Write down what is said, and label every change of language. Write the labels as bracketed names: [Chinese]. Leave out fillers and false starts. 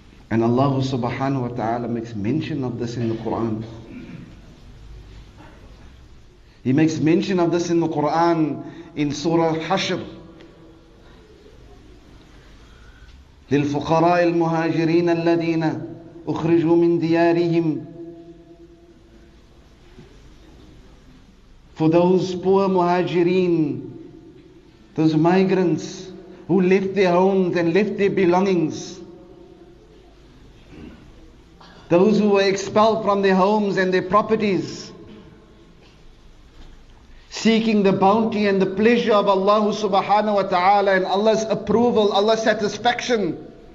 [English] And Allah subhanahu wa ta'ala makes mention of this in the Quran. He makes mention of this in the Quran in Surah Hashr. [Arabic] للفقراء المهاجرين الذين أخرجوا من ديارهم. [English] For those poor muhajirin, those migrants who left their homes and left their belongings, those who were expelled from their homes and their properties, seeking the bounty and the pleasure of Allah subhanahu wa ta'ala and Allah's approval, Allah's satisfaction.